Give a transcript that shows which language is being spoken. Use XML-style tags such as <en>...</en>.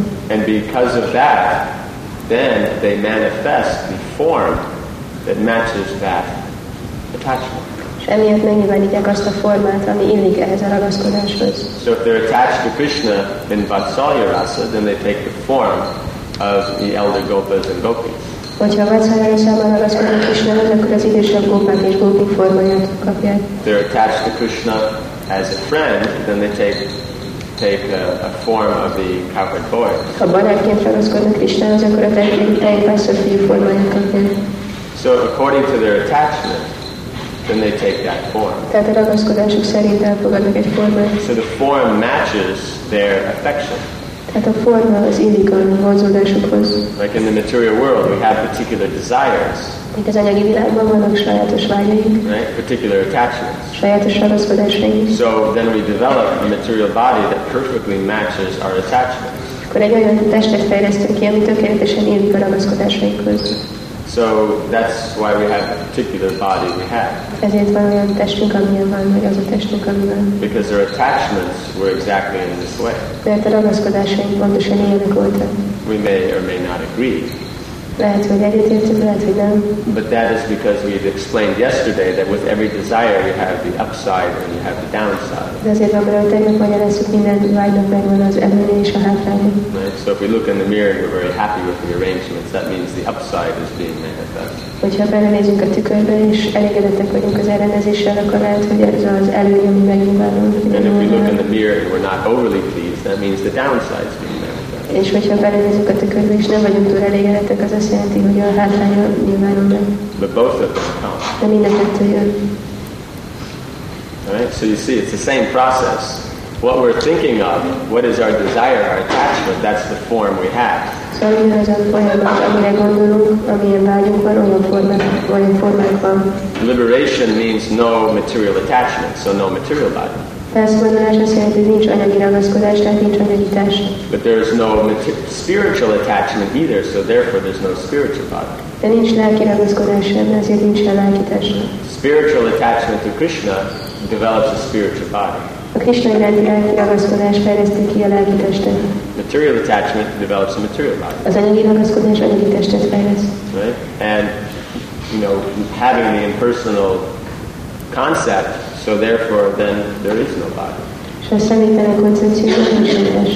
<en>And because of that, then they manifest the form that matches that attachment. So if they're attached to Krishna in Vatsalya rasa, then they take the form of the elder gopas and gopis.</en> <hu>Hogyha vatsára szemben Krishna, akkor az idősebb gópák és gópik formáját kapják.</hu> <en>They're attached to Krishna as a friend, then they take a form of the cowherd boy.</en> <hu>Ha barátként ragaszkodnak Krishnához, akkor a tejpásztor fiú formáját kapják.</hu> <en>So according to their attachment, then they take that form.</en> <hu>Tehát a ragaszkodásuk szerint elfogadnak egy formát.</hu> <en>So the form matches their affection.</en> <hu>Tehát a forma az illik a vonzódásukhoz.</hu> <en>Like in the material world, we have particular desires.</en> <hu>Itt az anyagi világban vannak sajátos vágyaink.</hu> <en>Right? Particular attachments.</en> <hu>Sajátos ragaszkodásaink.</hu> <en>So then we develop a material body that perfectly matches our attachments.</en> <hu>Akkor egy olyan testet fejlesztünk ki, ami tökéletesen illik a ragaszkodásainkhoz.</hu> <en>So that's why we have the particular body we have.</en> <hu>Ezért van olyan testünk, amilyen van, vagy az a testünk, amilyen.</hu> <en>Because our attachments were exactly in this way.</en> <hu>Mert a ragaszkodásaink pontosan ilyenek voltak.</hu> <en>We may or may not agree.</en> <hu>Lehet, hogy egyetértünk, lehet, hogy nem.</hu> <en>But that is because we've explained yesterday that with every desire you have the upside and you have the downside.</en> <hu>De azért van, hogy tegnap magyaráztuk, minden vágynak megvan az előnye és a hátránya.</hu> <en>So if we look in the mirror and we're very happy with the arrangements, that means the upside is being manifest.</en> <hu>Hogyha belenézünk a tükörbe és elégedettek vagyunk az elrendezéssel, akkor lehet, hogy ez az előnye, ami megnyilvánul.</hu> <en>And if we look in the mirror and we're not overly pleased, that means the downside is being manifest.</en> <hu>És hogyha belenézünk a tükörbe és nem vagyunk túl elégedettek, az azt jelenti, hogy a hátránya nyilvánul meg.</hu> <en>But both of them come.</en> <hu>De mind a kettő jön.</hu> <en>All right, so you see, it's the same process. What we're thinking of, what is our desire, our attachment, that's the form we have.</en> <hu>So ugye az a folyamat, amire gondolunk, amilyen vágyunk van, olyan formák van.</hu> <en>Liberation means no material attachment, so no material body.</en> <hu>Felszabadulás azt jelenti, hogy nincs anyagi ragaszkodás, tehát nincs anyagi test.</hu> <en>But there is no spiritual attachment either, so therefore there's no spiritual body.</en> <hu>De nincs lelki ragaszkodás, ezért nincs lelki test.</hu> <en>Spiritual attachment to Krishna develops a spiritual body.</en> <hu>A Krishna iránti lelki ragaszkodás fejleszti ki a lelki testet.</hu> <en>Material attachment develops a material body.</en> <hu>Az anyagi ragaszkodás anyagi testet fejleszt.</hu> <en>Right? And, you know, having the impersonal concept, so therefore then there is no body.</en> <hu>És a személytelen koncepció nincs egy test.</hu>